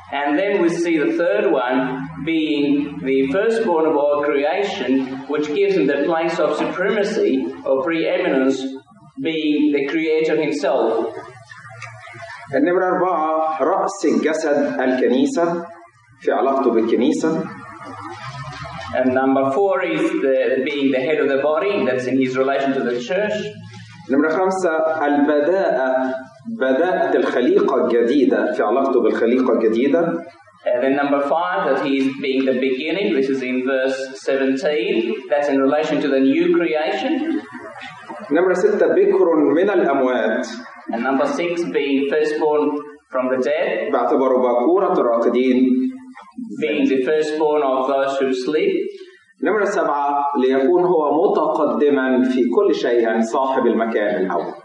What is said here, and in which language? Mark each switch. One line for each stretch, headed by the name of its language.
English: And then we see the third one being the firstborn of all creation, which gives Him the place of supremacy or preeminence, being the creator Himself.
Arabic: النمرة 4 رأس الجسد الكنيسة في علاقته بالكنيسة.
English: And number 4 is the being the head of the body, that's in His relation to the church.
Arabic: نمرة 5 البداءة، بداءة الخليقة الجديدة في علاقته بالخليقة الجديدة.
English: And then number 5 that He is being the beginning, this is in verse 17, that's in relation to the new creation.
Arabic: نمرة 6 بكر من الأموات.
English: And number 6 being firstborn from the dead.
Arabic: باعتباره باكورة الراقدين.
English: Being the firstborn of those who sleep.
Arabic: نمرة 7 ليكون هو متقدما في كل شيء، يعني صاحب المكان الأول.